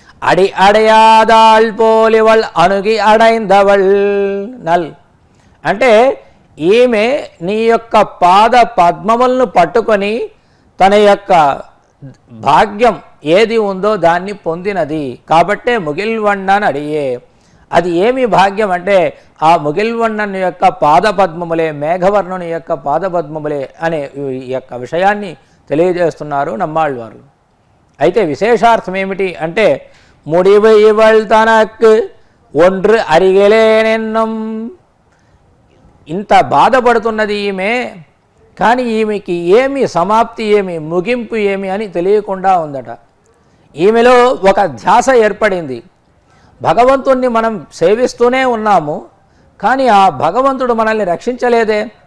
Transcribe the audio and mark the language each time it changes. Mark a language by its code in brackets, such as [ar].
[ta] అడి అడయాదాల్ పోలివల్ అణుగి అడైందవల్ నల్ [te] అంటే ఈమె నీ యొక్క పాద పద్మములను పట్టుకొని తన యొక్క భాగ్యం ఏది ఉందో దాన్ని పొందినది కాబట్టే ముగిల్వండన్ అడియే. అది ఏమి భాగ్యం అంటే ఆ ముగిల్వండన్ యొక్క పాద పద్మములే, మేఘవర్ణుని యొక్క పాద పద్మములే అనే ఈ యొక్క విషయాన్ని తెలియజేస్తున్నారు నమ్మాళ్ళవారు. అయితే విశేషార్థం ఏమిటి అంటే [ta] முடிவு இவள் தனக்கு ஒன்று அறிகளேன் என்னும். இந்த பாதப்படுத்துனதையுமே [te] కానీ ఈమెకి ఏమి సమాప్తి ఏమి ముగింపు ఏమి అని తెలియకుండా ఉందట. ఈమెలో ఒక ధ్యాస ఏర్పడింది. భగవంతుణ్ణి మనం సేవిస్తూనే ఉన్నాము, కానీ ఆ భగవంతుడు మనల్ని రక్షించలేదే.